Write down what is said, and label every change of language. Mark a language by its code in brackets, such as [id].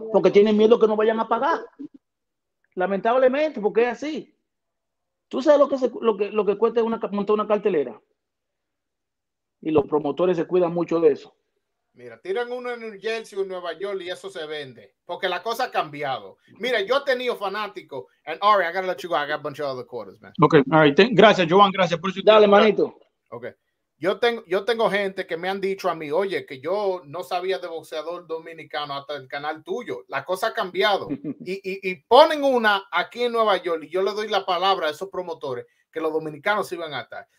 [es] van, porque tienen miedo que no vayan a pagar. Lamentablemente, porque es así. ¿Tú sabes lo que cuesta montar una cartelera? Y los promotores se cuidan mucho de eso. Mira, tiran uno en New Jersey o en Nueva York y eso se vende. Porque la cosa ha cambiado. Mira, yo he tenido fanático. [en] And Ari, I gotta let you go. I got a bunch of other quarters, man. Okay, all right. [es] Gracias, Joan. Gracias por su tiempo. Dale, manito. Okay. Yo tengo gente que me han dicho a mí, oye, que yo no sabía de boxeador dominicano hasta el canal tuyo. La cosa ha cambiado. Y ponen una aquí en Nueva York y yo le doy la palabra a esos promotores que los dominicanos sí van a estar.